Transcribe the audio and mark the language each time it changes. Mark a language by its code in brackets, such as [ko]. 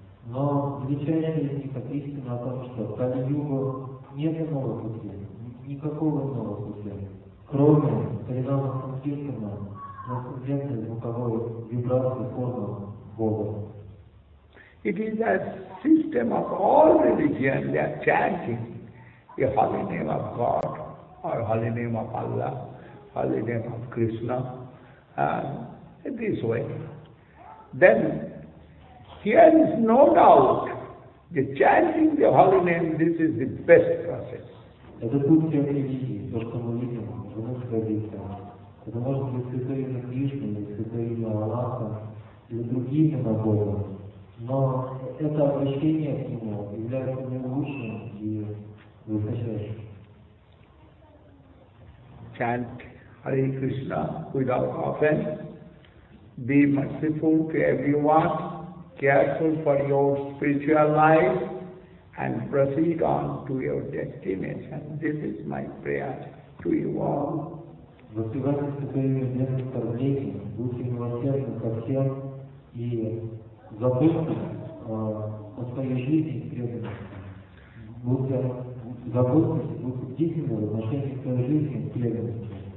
[ru] Но величайшая как истина о том, что в Кали-Югу нет иного пути, никакого иного пути, кроме Харинама Санкиртана, трансцендентной звуковой вибрации формы Бога. [en] It is a system of all religion, they are chanting the holy name of God, or holy name of Allah, holy name of Krishna, in this way. Then, here is no doubt, the chanting the holy name, this is the best process. [ru] Это путь к религии, то, что мы видим, живу в традиции. Это может быть святое имя Кришны, святое имя Аллаха, или другие имена Бога. Но это обращение к нему является наилучшим и высочайшим. [en] Chant Hare Krishna without offense. Be merciful to everyone. Careful for your spiritual life and proceed on to your destination. This is my prayer to you all. [ru] Воспевайте святое имя без оскорблений, будьте милосердны ко всем и забудьте о своей жизни и преданности. Забудьте, будьте бдительны в отношении своей жизни и преданности.